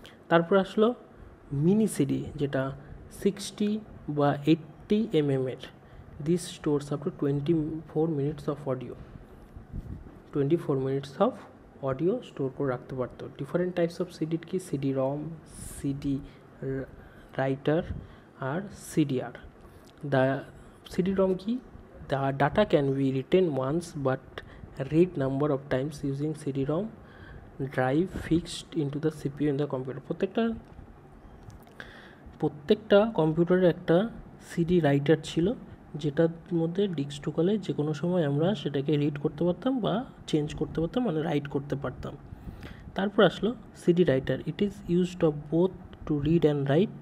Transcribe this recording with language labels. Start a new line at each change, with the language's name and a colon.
Bangla: তারপর আসলো mini CD, যেটা 60 বা 80 mm,
English: this stores up to 24 minutes of audio,
Bangla: 24 minutes of audio store করে রাখতে পারত। ডিফারেন্ট টাইপস অফ সিডির কি, সিডি রম, সিডি রাইটার আর সিডিআর। দা সিডি রম কি,
English: The data can be written once but read number of times using CD-ROM drive fixed into the CPU in the computer.
Bangla: প্রত্যেকটা কম্পিউটারে একটা CD writer ছিল, যেটার মধ্যে disk ঢুকালে যে কোনো সময় আমরা সেটাকে রিড করতে পারতাম বা চেঞ্জ করতে পারতাম, মানে রাইট করতে পারতাম। তারপর আসলো CD writer.
English: It is used of both to read and write.